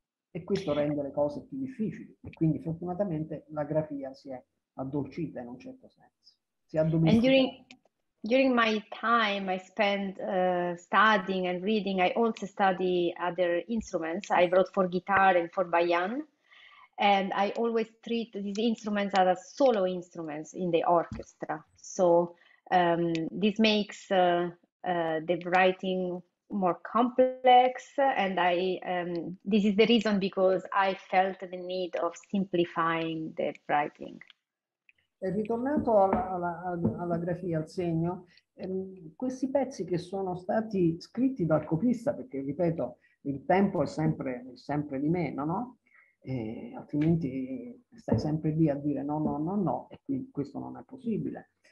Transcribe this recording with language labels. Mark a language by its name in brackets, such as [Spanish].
[Italian] E questo rende le cose più difficili. E quindi fortunatamente la grafia si è addolcita in un certo senso. Si è addolcita. [English] And during my time I spend studying and reading, I also study other instruments. I wrote for guitar and for baian, and I always treat these instruments as solo instruments in the orchestra. So this makes the writing more complex, and I this is the reason because I felt the need of simplifying the writing. [Italian] E ritornato alla grafia, al segno, questi pezzi che sono stati scritti dal copista, perché ripeto, il tempo è sempre di meno, no? E altrimenti stai sempre lì a dire no, no, no, no, e quindi questo non è possibile.